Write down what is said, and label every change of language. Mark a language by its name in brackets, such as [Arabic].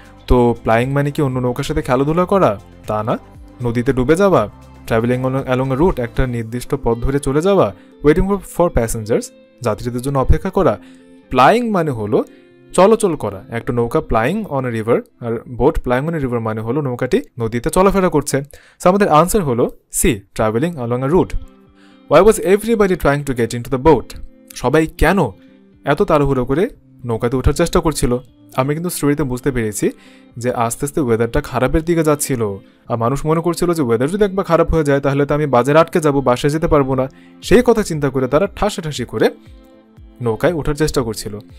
[Bangla] তো প্লাইং মানে কি অন্য নৌকার সাথে খেলাধুলা করা, তা না, নদীতে ডুবে যাওয়া, [English] travelling along a route [Bangla] একটা নির্দিষ্ট পথ ধরে চলে যাওয়া, [English] waiting for passengers [Bangla] যাত্রীদের জন্য অপেক্ষা করা। প্লাইং মানে হলো চলাচল করা, একটা নৌকা [English] plying on a river, [Bangla] আর [English] boat plying on a river [Bangla] মানে হলো নৌকাটি নদীতে চলাফেরা করছে। সো আমাদের আনসার হলো C, [English] Travelling along a route. Why was everybody trying to get into the boat? [Bangla] সবাই কেন এত তাড়াহুড়ো করে নৌকাতে ওঠার চেষ্টা করছিল? আমি কিন্তু স্টোরিতে বুঝতে পেরেছি যে আস্তে আস্তে ওয়েদারটা খারাপের দিকে যাচ্ছিল, আর মানুষ মনে করছিল যে ওয়েদার যদি একবার খারাপ হয়ে যায় তাহলে তো আমি বাজারে আটকে যাবো, বাসায় যেতে পারবো না। সেই কথা চিন্তা করে তারা ঠাসাঠাসি করে নৌকায় ওঠার চেষ্টা করছিল।